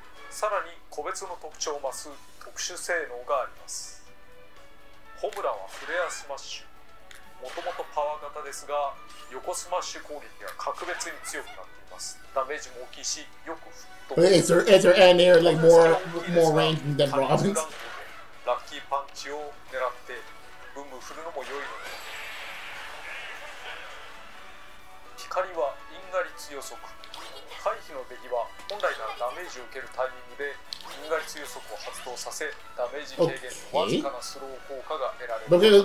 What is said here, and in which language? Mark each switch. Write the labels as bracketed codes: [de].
[ja] さらに個別の特徴を増す特殊性能があります。ホムラはフレアスマッシュ。もともとパワー型ですが、横スマッシュ攻撃が格別に強くなっています。ダメージも大きいし、よく吹っ飛ぶ。 [en] Is there any like more range than Robin's? [ja] ラッキーパンチを狙ってブンブン振るのも良いのでは。光は因果率予測。回避の敵は本来ならダメージを受けるタイミングで因果率予測を発動させダメージ軽減のわずかなスロー効果が得られる。